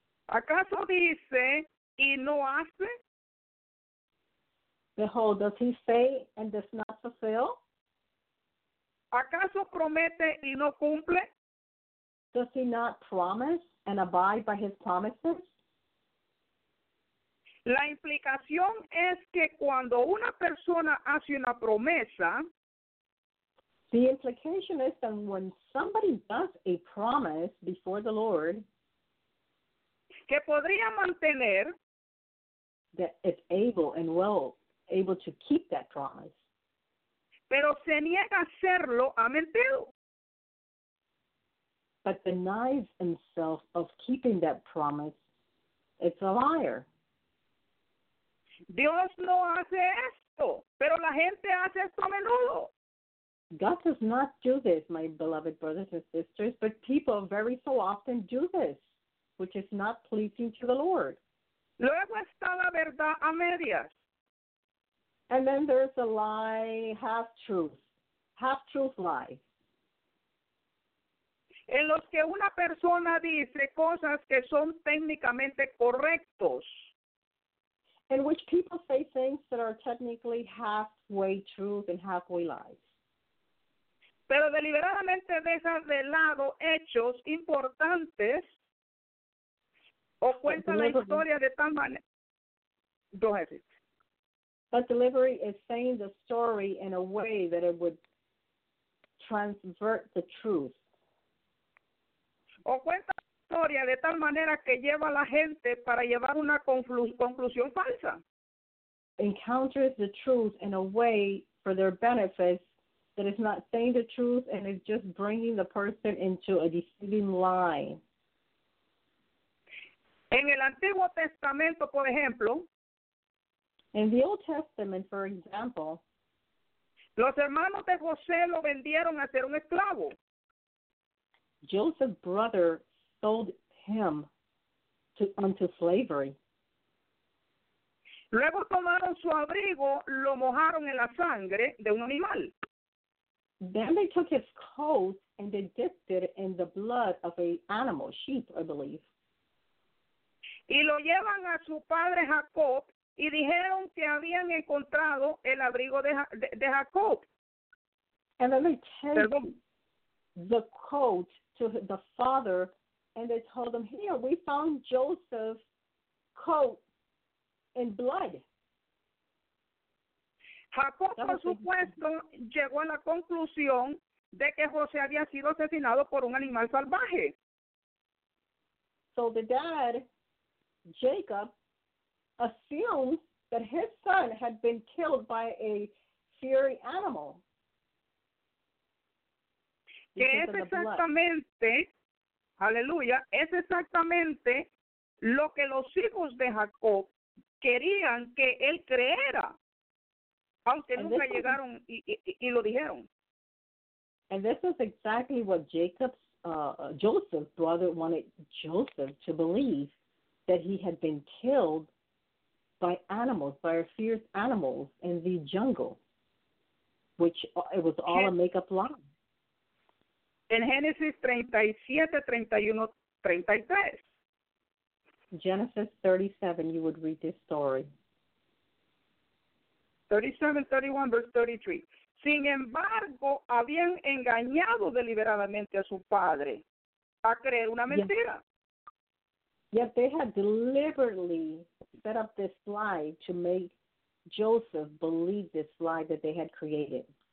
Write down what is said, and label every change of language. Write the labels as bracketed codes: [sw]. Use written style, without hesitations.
[es] ¿Acaso dice y no hace? [en] Behold, does he say and does not fulfill? [es] ¿Acaso promete y no cumple? [en] Does he not promise and abide by his promises? [es] La implicación es que cuando una persona hace una promesa, [en] the implication is that when somebody does a promise before the Lord, [es] que podría mantener, [en] that it's able and well able to keep that promise, [es] pero se niega a hacerlo, ha mentido. [en] But denies himself of keeping that promise, it's a liar. [es] Dios no hace esto, pero la gente hace esto a menudo. [en] God does not do this, my beloved brothers and sisters, but people very so often do this, which is not pleasing to the Lord. [es] Luego está la verdad a medias. [en] And then there's a lie, half-truth lie. [es] En los que una persona dice cosas que son técnicamente correctos. [en] In which people say things that are technically halfway truth and halfway lies. [es] Pero deliberadamente dejas de lado hechos importantes o cuenta la historia de tal manera. [en] Go ahead. But delivery is saying the story in a way that it would transvert the truth. [es] O cuenta historia de tal manera que lleva a la gente para llevar una conclusión falsa. [en] Encounters the truth in a way for their benefit that is not saying the truth and is just bringing the person into a deceiving lie. [es] En el Antiguo Testamento, por ejemplo, [en] in the Old Testament, for example, [es] los hermanos de José lo vendieron a ser un esclavo. [en] Joseph's brother sold him unto slavery. [es] Luego tomaron su abrigo, lo mojaron en la sangre de un animal. [en] Then they took his coat and they dipped it in the blood of an animal, sheep, I believe. [es] Y lo llevan a su padre Jacob y dijeron que habían encontrado el abrigo de Jacob. [en] And then they took the coat to the father. And they told him, here, we found Joseph's coat in blood. [es] Jacob, por supuesto, llegó a la conclusión de que José había sido asesinado por un animal salvaje. [en] So the dad, Jacob, assumed that his son had been killed by a fiery animal. [es] que es exactamente, aleluya, es exactamente lo que los hijos de Jacob querían que él creyera, aunque [en] and [es] nunca llegaron y lo dijeron. [en] And this is exactly what Jacob's, Joseph's brother wanted Joseph to believe, that he had been killed by animals, by our fierce animals in the jungle, which it was all a makeup lie. In Genesis 37, you would read this story. 37:31-33. [es] Sin embargo, habían engañado deliberadamente a su padre a creer una mentira. [en] Yet they had deliberately set up this lie to make Joseph believe this lie that they had created.